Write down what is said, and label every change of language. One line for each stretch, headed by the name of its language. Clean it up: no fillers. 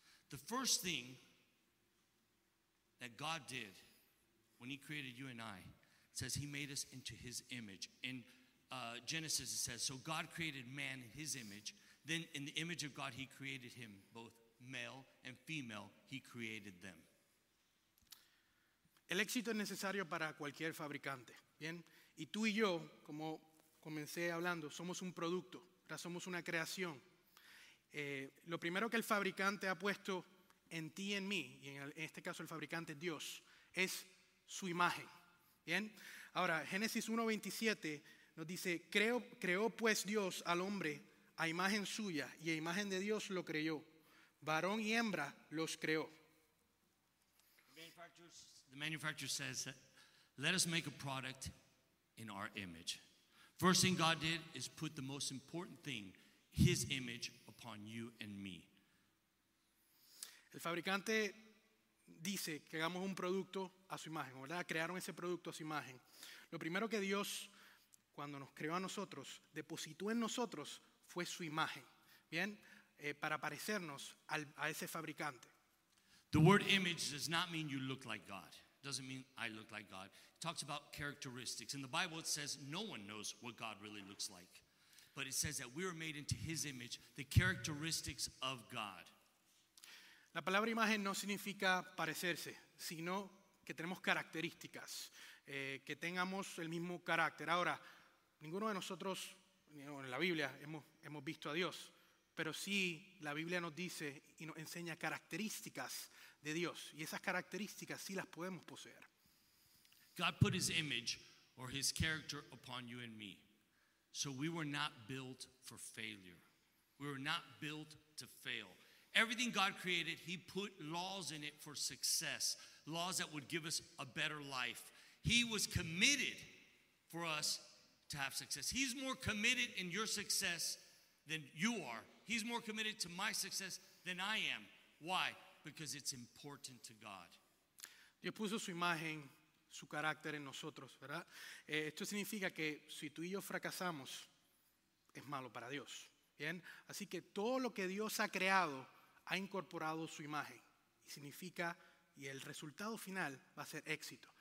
English: The first thing that God did when he created you and I, says he made us into his image. In Genesis it says, so God created man in his image, then in the image of God he created him, both male and female, he created them.
Spanish: El éxito es necesario para cualquier fabricante, ¿bien? Y tú y yo, como comencé hablando, somos un producto, somos una creación. Lo primero que el fabricante ha puesto en ti y en mí, y en este caso el fabricante es Dios, es su imagen, ¿bien? Ahora, Génesis 1:27 nos dice, creó pues Dios al hombre a imagen suya, y a imagen de Dios lo creó. Varón y hembra los creó.
English: The manufacturer says, let us make a product in our image. First thing God did is put the most important thing, his image, upon you and me.
Spanish: El fabricante dice que hagamos un producto a su imagen, ¿verdad? Crearon ese producto a su imagen. Lo primero que Dios, cuando nos creó a nosotros, depositó en nosotros fue su imagen, ¿bien? Para parecernos a ese fabricante.
English: The word image does not mean you look like God. It doesn't mean I look like God. It talks about characteristics. In the Bible, it says no one knows what God really looks like. But it says that we are made into his image, the characteristics of God.
Spanish: La palabra imagen no significa parecerse, sino que tenemos características, que tengamos el mismo carácter. Ahora, ninguno de nosotros en la Biblia hemos visto a Dios, pero sí la Biblia nos dice y nos enseña características de Dios, y esas características sí las podemos poseer.
English: God put his image or his character upon you and me. So we were not built for failure. We were not built to fail. Everything God created, he put laws in it for success, laws that would give us a better life. He was committed for us to have success. He's more committed in your success than you are. He's more committed to my success than I am. Why? Because it's important to God.
Spanish: Dios puso su imagen, su carácter en nosotros, ¿verdad? Esto significa que si tú y yo fracasamos, es malo para Dios. Bien, así que todo lo que Dios ha creado ha incorporado su imagen. Y significa, y el resultado final va a ser éxito.